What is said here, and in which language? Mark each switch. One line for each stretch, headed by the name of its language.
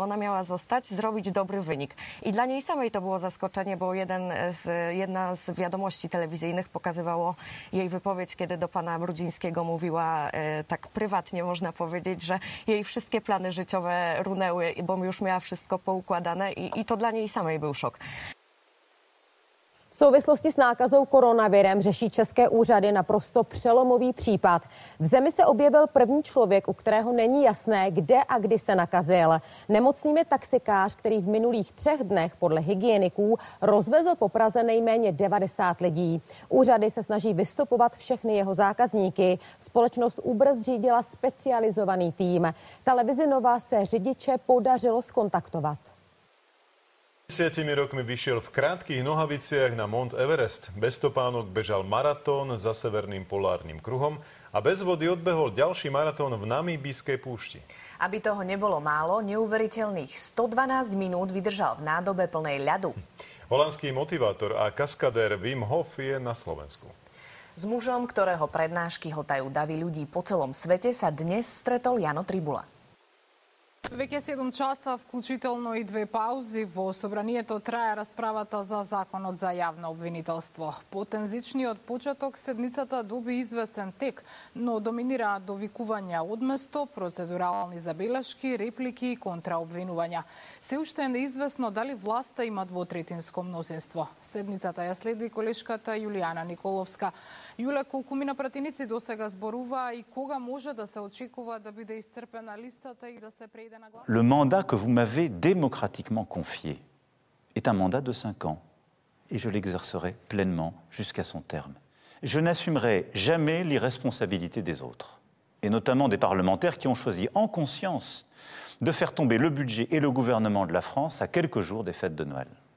Polish: Ona miała zostać, zrobić dobry wynik. I dla niej samej to było zaskoczenie, bo jedna z wiadomości telewizyjnych pokazywało jej wypowiedź, kiedy do pana Brudzińskiego mówiła tak prywatnie, można powiedzieć, że jej wszystkie plany życiowe runęły, bo już miała wszystko poukładane i to dla niej samej był szok.
Czech: V souvislosti s nákazou koronavirem řeší české úřady naprosto přelomový případ. V zemi se objevil první člověk, u kterého není jasné, kde a kdy se nakazil. Nemocným je taxikář, který v minulých 3 dnech podle hygieniků rozvezl po Praze nejméně 90 lidí. Úřady se snaží vystopovat všechny jeho zákazníky. Společnost Uber zřídila specializovaný tým. Televizi Nova se řidiče podařilo skontaktovat.
Slovak: 10 rokmi vyšiel v krátkých nohaviciach na Mount Everest. Bez topánok bežal maratón za severným polárnym kruhom a bez vody odbehol ďalší maratón v namíbijskej púšti. Aby toho nebolo málo, neuveriteľných 112 minút vydržal v nádobe plnej ľadu. Holandský motivátor a kaskadér Wim Hof je na Slovensku. S mužom, ktorého prednášky hltajú davy ľudí po celom svete, sa dnes stretol Jano Tribula.
Macedonian: Веќе 7 часа, вклучително и две паузи, во собранието трае расправата за законот за јавно обвинителство. По тензичниот почеток, седницата доби известен тек, но доминираа довикувања одместо, процедурални забелешки, реплики и контраобвинувања. Се уште е неизвестно дали власта има двотретинско мнозинство. Седницата ја следи колешката Јулијана Николовска. Јуле, колку мина пратеници до сега зборуваа и кога може да се очекува да биде исцрпена листата и да се преиде на глас?
French: Le mandat que vous m'avez démocratiquement confié est un mandat de 5 ans et je l'exercerai pleinement jusqu'à son terme. Je n'assumerai jamais l'irresponsabilité des autres et notamment des parlementaires qui ont choisi en conscience de faire tomber le budget et le gouvernement de la France à quelques jours des fêtes de Noël.